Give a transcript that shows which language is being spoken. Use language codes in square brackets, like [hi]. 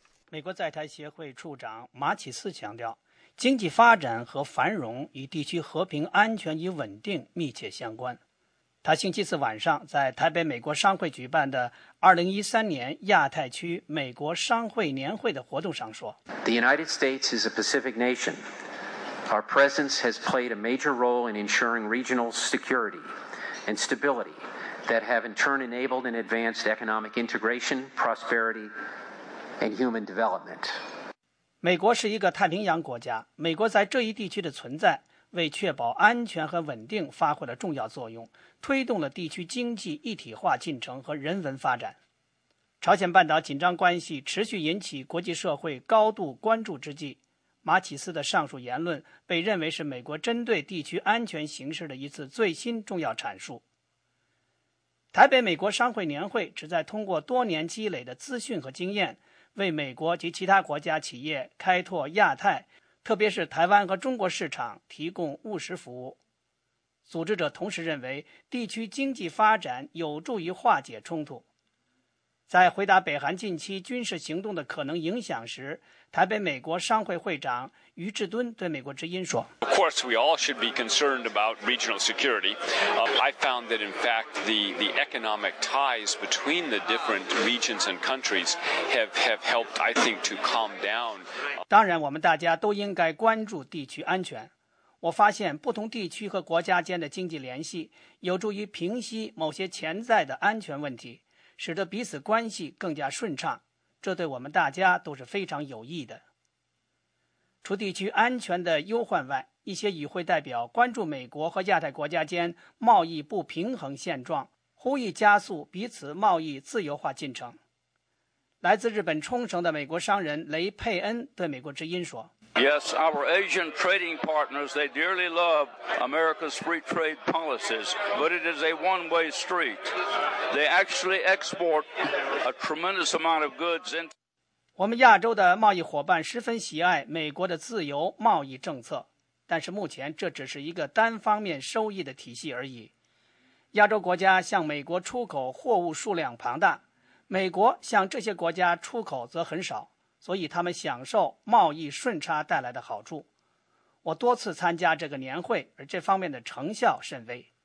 [zh] 美国在台协会处长马启四强调，经济发展和繁荣与地区和平安全与稳定密切相关。他星期四晚上在台北美国商会举办的2013年亚太区美国商会年会的活动上说 [en] The United States is a Pacific nation. Our presence has played a major role in ensuring regional security and stability that have in turn enabled and advanced economic integration, prosperity, and human development. [zh] 美国是一个太平洋国家，美国在这一地区的存在为确保安全和稳定发挥了重要作用，推动了地区经济一体化进程和人文发展。朝鲜半岛紧张关系持续引起国际社会高度关注之际，马启斯的上述言论被认为是美国针对地区安全形势的一次最新重要阐述。台北美国商会年会旨在通过多年积累的资讯和经验，为美国及其他国家企业开拓亚太，特别是台湾和中国市场提供务实服务。组织者同时认为，地区经济发展有助于化解冲突。在回答北韩近期军事行动的可能影响时，台北美国商会会长于志敦对美国之音说 [en] Of course, we all should be concerned about regional security. I found that, in fact, the economic ties between the different regions and countries have helped, I think, to calm down. [zh] 当然，我们大家都应该关注地区安全。我发现不同地区和国家间的经济联系有助于平息某些潜在的安全问题，使得彼此关系更加顺畅。这对我们大家都是非常有益的。除地区安全的忧患外，一些与会代表关注美国和亚太国家间贸易不平衡现状，呼吁加速彼此贸易自由化进程。来自日本冲绳的美国商人雷佩恩对美国之音说 [en] Yes, our Asian trading partners, they dearly love America's free trade policies, but it is a one-way street. They actually export a tremendous amount of goods into [zh] 我们亚洲的贸易伙伴十分喜爱美国的自由贸易政策，但是目前这只是一个单方面收益的体系而已。亚洲国家向美国出口货物数量庞大，美国向这些国家出口则很少，所以他们享受贸易顺差带来的好处。我多次参加这个年会，而这方面的成效甚微。